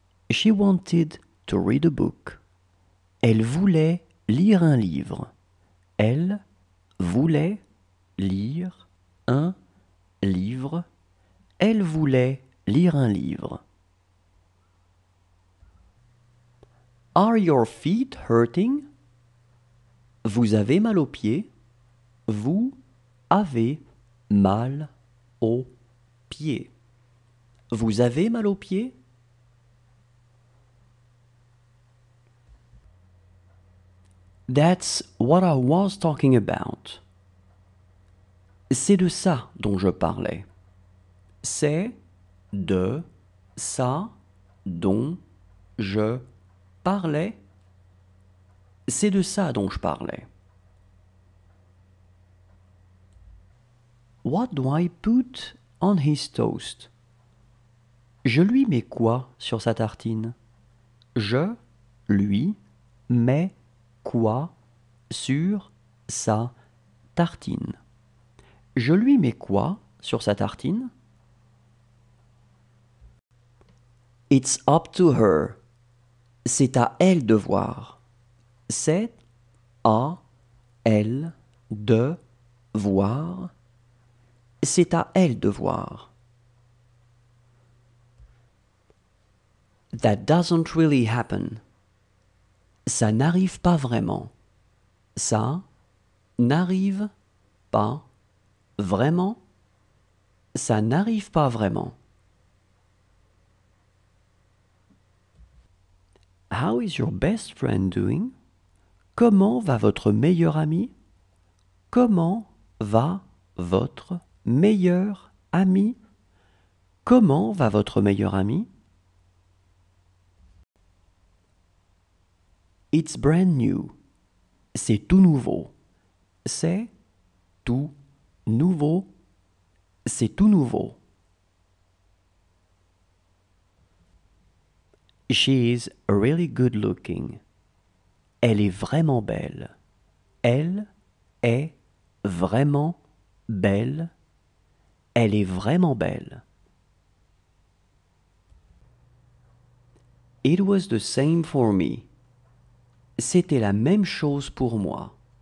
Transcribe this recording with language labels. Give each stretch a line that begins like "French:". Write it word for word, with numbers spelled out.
English: She wanted to read a book.
French: Elle voulait lire un livre. Elle voulait lire un livre. Elle voulait lire un livre.
English: Are your feet hurting?
French: Vous avez mal aux pieds. Vous avez mal aux pieds. Vous avez mal aux pieds?
English: That's what I was talking about.
French: C'est de ça dont je parlais. C'est de ça dont je parlais. C'est de ça dont je parlais.
English: What do I put on his toast?
French: Je lui mets quoi sur sa tartine? Je lui mets quoi sur sa tartine? Je lui mets quoi sur sa tartine?
English: It's up to her.
French: C'est à elle de voir. C'est à elle de voir. C'est à elle de voir.
English: That doesn't really happen.
French: Ça n'arrive pas vraiment. Ça n'arrive pas vraiment. Ça n'arrive pas vraiment.
English: How is your best friend doing?
French: Comment va votre meilleur ami? Comment va votre meilleur ami? Comment va votre meilleur ami?
English: It's brand new.
French: C'est tout nouveau. C'est tout nouveau. C'est tout nouveau.
English: She is really good looking.
French: Elle est vraiment belle. Elle est vraiment belle. Elle est vraiment belle.
English: It was the same for me.
French: C'était la même chose pour moi.